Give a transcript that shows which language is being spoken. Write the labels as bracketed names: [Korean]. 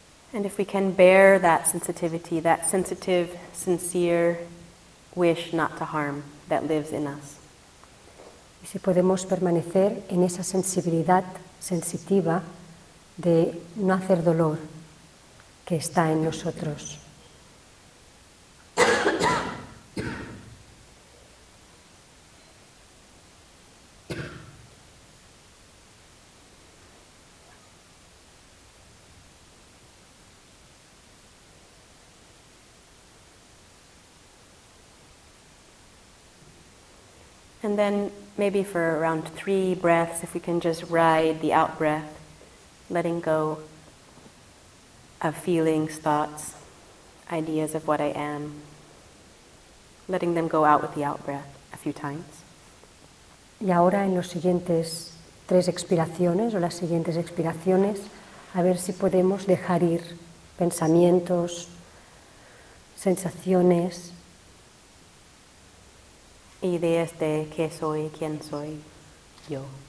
[English] And if we can bear that sensitivity, that sensitive, sincere wish not to harm that lives in us. [Spanish] Y si podemos permanecer en esa sensibilidad sensitiva de no hacer dolor que está en nosotros. [English] And then maybe for around 3 breaths, if we can just ride the out breath, letting go of feelings, thoughts, ideas of what I am, letting them go out with the out breath a few times. [Spanish] Y ahora en los siguientes 3 expiraciones o las siguientes expiraciones, a ver si podemos dejar ir pensamientos, sensaciones, ideas de qué soy, quién soy, yo.